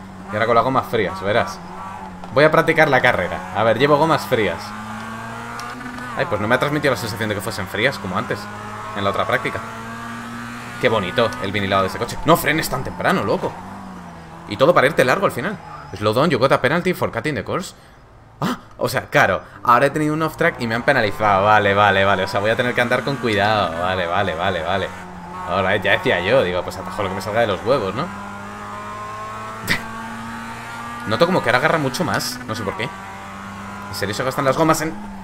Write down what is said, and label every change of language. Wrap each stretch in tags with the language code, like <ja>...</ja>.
<es>Y ahora con las gomas frías, verás. Voy a practicar la carrera. A ver, llevo gomas frías. Ay, pues no me ha transmitido la sensación de que fuesen frías como antes. En la otra práctica. Qué bonito el vinilado de ese coche. No frenes tan temprano, loco. Y todo para irte largo al final.</es> <en>Slow down, you got a penalty for cutting the course.</en> <es>Ah, o sea, claro. Ahora he tenido un off track y me han penalizado. Vale, vale, vale. O sea, voy a tener que andar con cuidado. Vale, vale, vale, vale. Ahora, ya decía yo. Digo, pues atajo lo que me salga de los huevos, ¿no? Noto como que ahora agarra mucho más. No sé por qué. ¿En serio se gastan las gomas en...?</es>